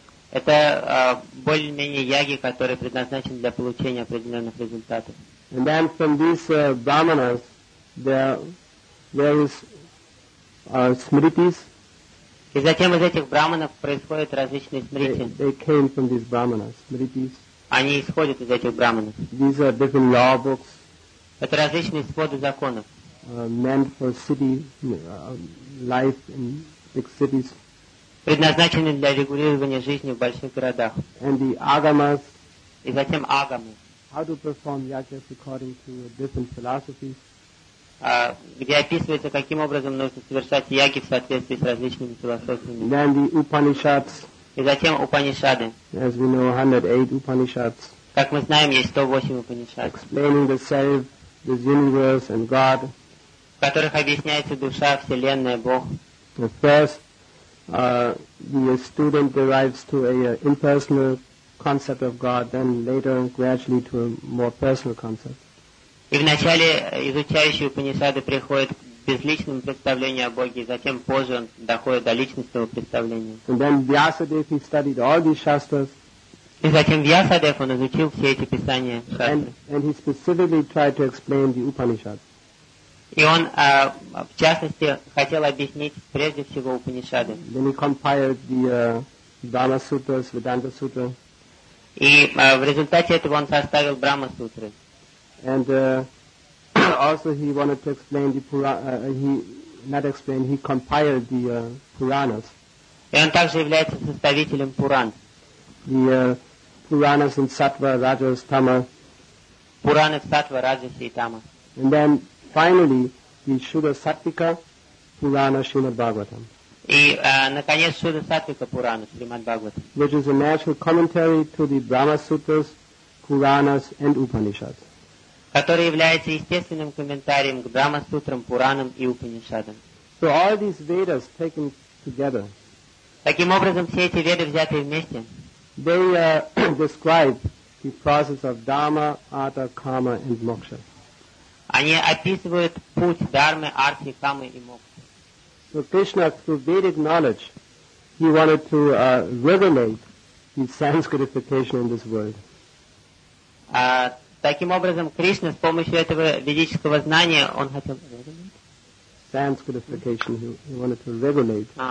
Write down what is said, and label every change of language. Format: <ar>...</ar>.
<ru>Это более-менее яги, которые предназначены для получения определенных результатов.</ru> <en>And then from these brahmanas, there is smritis.</en> <ru>И затем из этих брахманов происходят различные смрити.</ru> <en>They came from these brahmanas, smritis.</en> <ru>Они исходят из этих брахманов.</ru> <en>These are different law books.</en> <ru>Это различные своды законов.</ru> <en>Meant for city life in big cities.</en> <ru>Предназначены для регулирования жизни в больших городах.</ru> <en>And the agamas.</en> <ru>И затем агамы.</ru> <en>How to perform yajnas according to different philosophies.</en> <ru>Где описывается, каким образом нужно совершать яги в соответствии с различными философиями.</ru> <en>Then the Upanishads.</en> <ru>И затем Упанишады.</ru> <en>As we know, 108 Upanishads.</en> <ru>Как мы знаем, есть 108 Упанишад.</ru> <en>Explaining the self, this universe and God.</en> <ru>В которых объясняется душа, вселенная, Бог.</ru> <en>First, the student derives to an impersonal concept of God, then later gradually to a more personal concept.</en> <ru>И вначале изучающий Упанишады приходит к безличному представлению о Боге, и затем позже он доходит до личностного представления.</ru> <en>And then Vyasadeva, he studied all these shastras.</en> <ru>И затем Вьясадев, он изучил все эти писания шастры.</ru> <en>And he specifically tried to explain the Upanishads.</en> <ru>И он, в частности, хотел объяснить прежде всего Упанишады.</ru> <en>Then he compiled the Dhamma Sutras, Vedanta Sutra.</en> <ru>И в результате этого он составил Брахма Сутры.</ru> <en>And also he wanted to explain the Purana, he compiled the Puranas.</en> <ru>И он также является составителем Пуран.</ru> <en>The Puranas in Sattva, Rajas, Tama. Puranas, Sattva, Rajas and Tama. And then finally, the Shuddha Sattvika Purana Srimad Bhagavatam.</en> <ru>И, наконец, Shuddha Sattvika Purana Srimad Bhagavatam.</ru> <en>Which is a natural commentary to the Brahma Sutras, Puranas and Upanishads.</en> <ru>Который является естественным комментарием к Брахма Сутрам, Пуранам и Упанишадам.</ru> <en>So all these Vedas taken together.</en> <ru>Таким образом, все эти Веды взяты вместе.</ru> <en>They describe the process of Dharma, Artha, Kama, and Moksha.</en> <ru>Они описывают путь Дхармы, Артхи, Камы и Мокши.</ru> <en>So Krishna, through Vedic knowledge, he wanted to regulate the Sanskritification in this world.</en> <ru>Таким образом, Кришна с помощью этого ведического знания, он хотел...</ru> <en>Sanskritification, he wanted to regulate.</en>